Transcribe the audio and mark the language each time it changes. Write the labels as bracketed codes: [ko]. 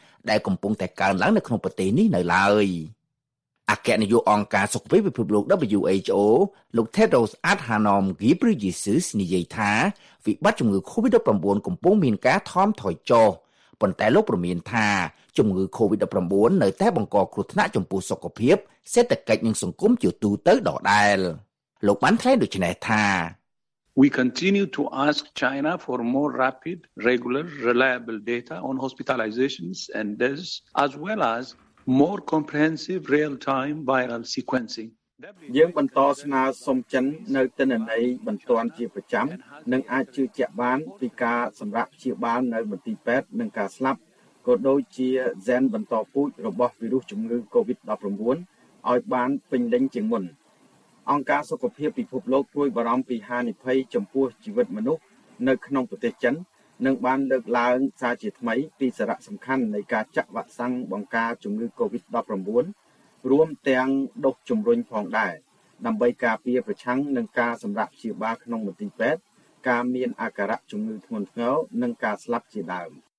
[km] ដែលកំពុងតែកើនឡើងនៅក្នុងប្រទេសនេះនៅឡើយអគ្គនាយកអង្គការសុខភាពពិភពលោក WHO លោក Tedros Adhanom Ghebreyesus និយាយថាវិបត្តិជំងឺ COVID-19 កំពុងមានការថមថយចុះប៉ុន្តែលោកព្រមានថាជំងឺ COVID-19 នៅតែបង្កគ្រោះថ្នាក់ចំពោះសុខភាពសេដ្ឋកិច្ចនិងសង្គមជាទូទៅដដែលលោកបានថ្លែងដូច្នេះថា [en] We continue to ask China for more rapid, regular, reliable data on hospitalizations and deaths as well as more comprehensive real-time viral sequencing [km] យើងបន្តស្នើសុំចិននៅទិន្នន័យបន្តជាប្រចាំនិងអាចជឿជាក់បានពីការសម្រាប់ព្យាបាលនៅមន្ទីរពេទ្យនិងការស្លាប់ក៏ដូចជា Zen បន្តពូជរបស់វីរុសជំងឺ COVID-19 ឲ្យបានពេញលេញជាងមុនអង្គការសុខភាពពិភពលោកព្រួយបារម្ភពីហានិភ័យចំពោះជីវិតមនុស្សនៅក្នុងប្រទេសចិននឹងបានលើកឡើងសារជាថ្មីពីសារៈសំខាន់នៃការចាក់វ៉ាក់សាំងបង្ការជំងឺ COVID-19 រួមទាំងដុសជំរុញផងដែរដើម្បីការពារប្រឆាំងនឹងការសម្រាប់ព្យាបាលក្នុងមន្ទីរពេទ្យការមានអាការៈជំងឺធ្ងន់ធ្ងរនិងការស្លាប់ជាដើម